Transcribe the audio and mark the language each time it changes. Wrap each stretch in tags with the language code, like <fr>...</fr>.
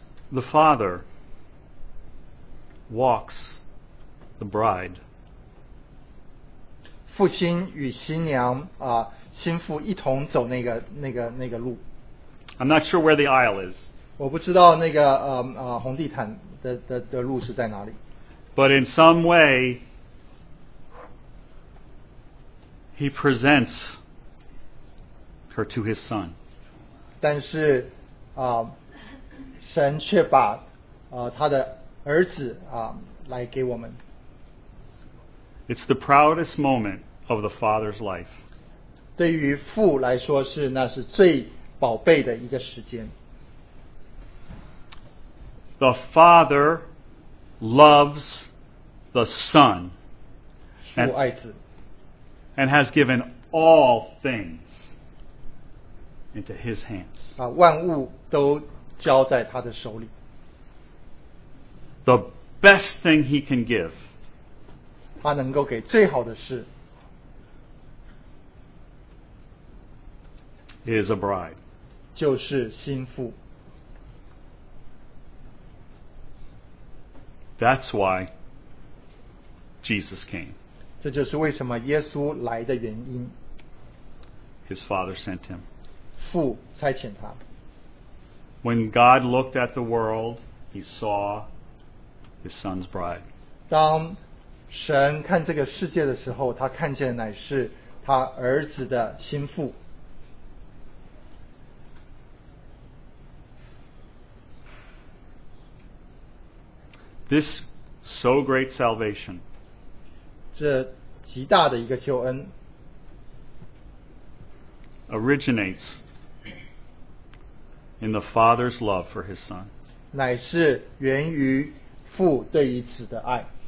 <en>The father walks the bride.</en> <zh>父亲与新娘, 新妇一同走那个路。</zh> <en>I'm not sure where the aisle is.</en> <zh>我不知道那个, 红地毯的路是在哪里。</zh> <en>But in some way, he presents her to his son.</en> <zh>但是, 神却把, 他的儿子, 来给我们。</zh> <en>It's the proudest moment of the father's life.</en> <zh>对于父来说是, 那是最宝贝的一个时间。</zh> <en>The father loves the son.</en> <zh>父爱子。</zh> <en>And has given all things into his hands.</en> <zh>万物都 交在他的手里。</zh> <en>The best thing he can give.</en> <zh>他能够给最好的事。</zh> <en>Is a bride.</en> <zh>就是心腹。</zh> <en>That's why Jesus came.</en> <zh>这就是为什么耶稣来的原因。</zh> <en>His father sent him.</en> <zh>父差遣他。</zh> <en>When God looked at the world, he saw his son's bride.</en> <zh>当神看这个世界的时候, 他看见乃是他儿子的心腹。</zh> <en>This so great salvation.</en> <zh>这极大的一个救恩,</zh> <en>originates in the Father's love for His Son.</en> <zh>乃是源于父对于子的爱。</zh>